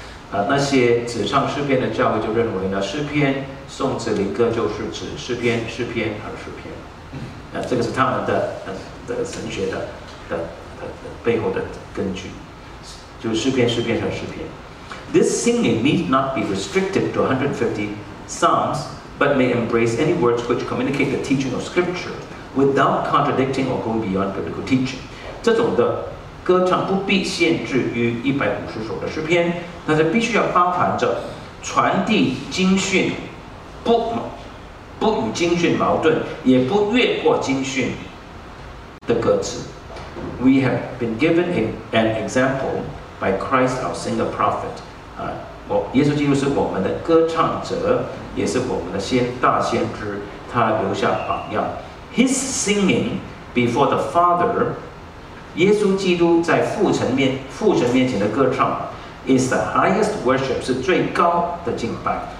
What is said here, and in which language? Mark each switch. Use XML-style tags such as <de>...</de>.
<zh>那些只唱诗篇的教会就认为呢，诗篇、颂词、灵歌就是指诗篇、诗篇和诗篇。这个是他们的神学的背后的根据，就是诗篇、诗篇和诗篇。</zh> <en>This singing need not be restricted to 150 psalms. But may embrace any words which communicate the teaching of Scripture without contradicting or going beyond biblical teaching.</en> <zh>这种的歌唱不必限制于150首的诗篇，但是必须要包含着传递经训，不与经训矛盾，也不越过经训的歌词。</zh> <en>We have been given an example by Christ, our single prophet.</en> <zh>耶稣基督是我们的歌唱者，也是我们的大先知，他留下榜样。</zh> <en>His singing before the Father,</en> <zh>耶稣基督在父神面前的歌唱</zh> <en>is the highest worship,</en> <zh>是最高的敬拜。</zh>